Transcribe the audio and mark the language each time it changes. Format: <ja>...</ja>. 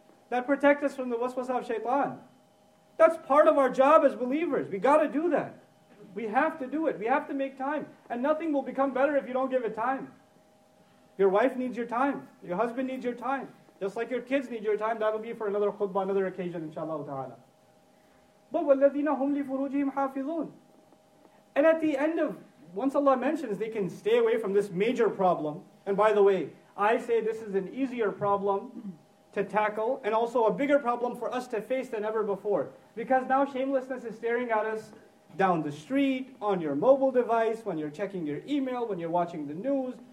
<en>That protects us from the waswasa of shaitan. That's part of our job as believers. We got to do that. We have to do it. We have to make time. And nothing will become better if you don't give it time. Your wife needs your time. Your husband needs your time. Just like your kids need your time, that'll be for another khutbah, another occasion, inshallah ta'ala. But</en> <ar>وَالَّذِينَ هُمْ لِفُرُوجِهِمْ حَافِظُونَ.</ar> <en>And at the end of, once Allah mentions, they can stay away from this major problem. And by the way, I say this is an easier problem to tackle, and also a bigger problem for us to face than ever before. Because now shamelessness is staring at us down the street, on your mobile device, when you're checking your email, when you're watching the news.</en>